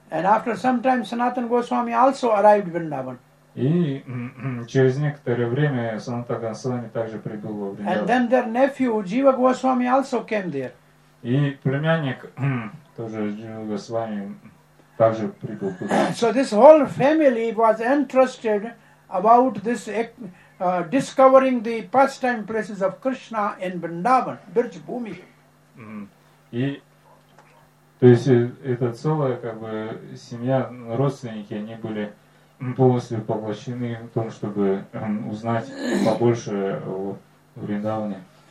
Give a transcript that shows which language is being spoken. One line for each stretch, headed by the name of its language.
English: And after some time, Sanatan Goswami also arrived Vrindavan.
Russian: И через некоторое время Санатан Госвами также прибыл во Вриндаван.
English: And then their nephew Jiva Goswami also came there.
Russian: И племянник тоже Jiva Goswami также прибыл туда.
English: So this whole family was interested about this discovering the pastime places of Krishna in Vrindavan, Birj Bhumi.
Russian: И то есть эта целая как бы семья, родственники, они были полностью поглощены в том, чтобы узнать побольше о Вриндаване.